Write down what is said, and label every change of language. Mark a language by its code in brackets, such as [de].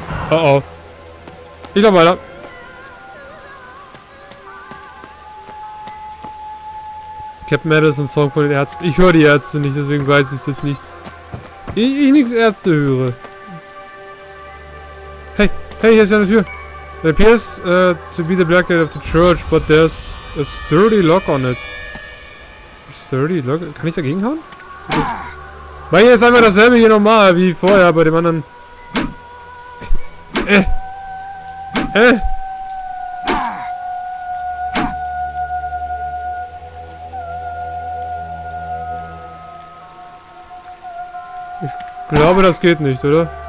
[de] Oh oh. Ich lauf weiter. Captain Madison Song von den Ärzten. Ich höre die Ärzte nicht, deswegen weiß ich das nicht. Ich nix Ärzte höre. Hey, hey, hier ist ja eine Tür. [en] It appears to be the black gate of the church, but there's a sturdy lock on it. [de] Sturdy lock? Kann ich dagegen hauen? Weil hier ist einmal dasselbe hier nochmal wie vorher bei dem anderen. Ich glaube, das geht nicht, oder?